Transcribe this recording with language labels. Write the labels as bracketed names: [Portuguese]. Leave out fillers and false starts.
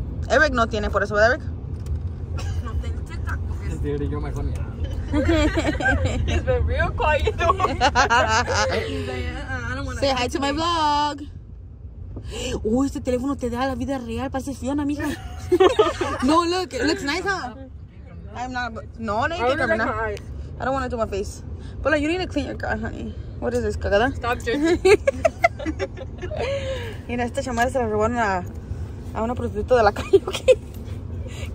[Spanish] Eric no tiene, por eso, ¿verdad, Eric? No tengo TikTok. Sí, yo mejor mirar. [English] He's been real quiet. Say hi to my vlog. [Spanish] Uy, este teléfono te da la vida real. Parece Fiona, mija. [English] No, look, it looks nice, huh? I'm not, no, no, you can come now. I don't want to do my face. Pero you need to clean your car, honey. What is this, cagada? Stop jerking. [Spanish] Mira, esta llamada se la robaron a una prostituta de la calle, ok.